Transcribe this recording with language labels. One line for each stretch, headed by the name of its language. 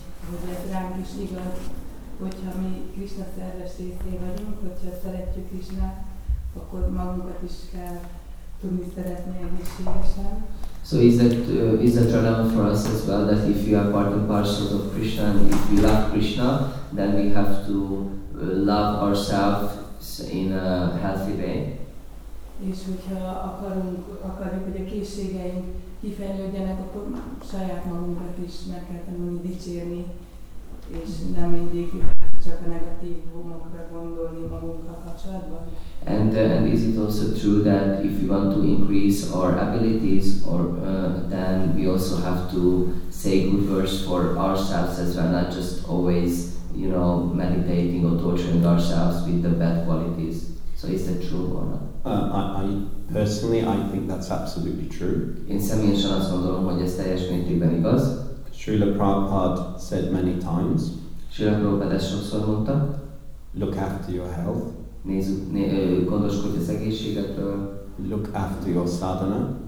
Hungarian: Hogy ez ránk is igaz, hogyha mi Krishna szerves részé vagyunk, hogyha szeretjük Krishnát, akkor magunkat is kell tudni szeretni egészségesen.
English: So is that dilemma for us as well, that if you are part and parcel of Krishna and if we love Krishna, then we have to love ourselves in a healthy way?
Hungarian: És hogyha akarjuk, hogy a készségeink kifejlődjenek, akkor saját magunkat is meg kell tanulni dicsérni. És csak a negatívumokra gondolni magunkkal kapcsolatban.
English: And is it also true that if we want to increase our abilities, or then we also have to say good words for ourselves as well, not just always, you know, meditating or torturing ourselves with the bad qualities? So is that true or not? I personally think that's absolutely true.
Hungarian: Én személyesen azt gondolom, hogy ez teljes mértékben igaz.
English: Srila Prabhupada said many times.
Hungarian: Srila Prabhupada sokszor mondta.
English: Look after your health.
Hungarian: Gondoskodj az egészségedről.
English: Look after your sadhana.